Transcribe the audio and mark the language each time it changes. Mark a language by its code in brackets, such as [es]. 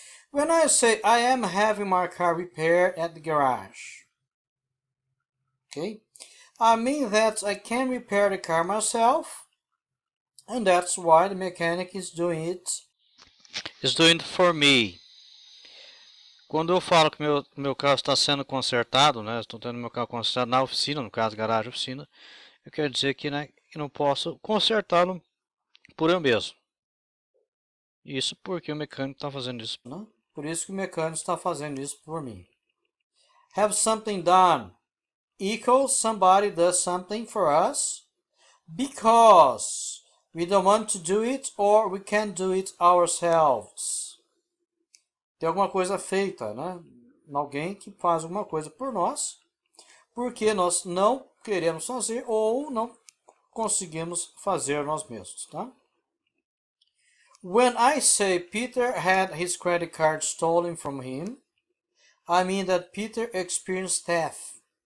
[en] When I say I am having my car repaired at the garage. Okay? I mean that I can repair the car myself. And that's why the mechanic is doing it. Is doing it for me. [pt] Quando eu falo que meu carro está sendo consertado, né, estou tendo meu carro consertado na oficina, no caso garagem oficina, eu quero dizer que, né, que não posso consertá-lo por eu mesmo. Isso porque o mecânico está fazendo isso. Não? Por isso que o mecânico está fazendo isso por mim. [en] Have something done equals somebody does something for us because we don't want to do it or we can't do it ourselves. [pt] Tem alguma coisa feita, né? Alguém que faz alguma coisa por nós, porque nós não queremos fazer ou não conseguimos fazer nós mesmos, tá? [en] When I say Peter had his credit card stolen from him, I mean that Peter experienced theft.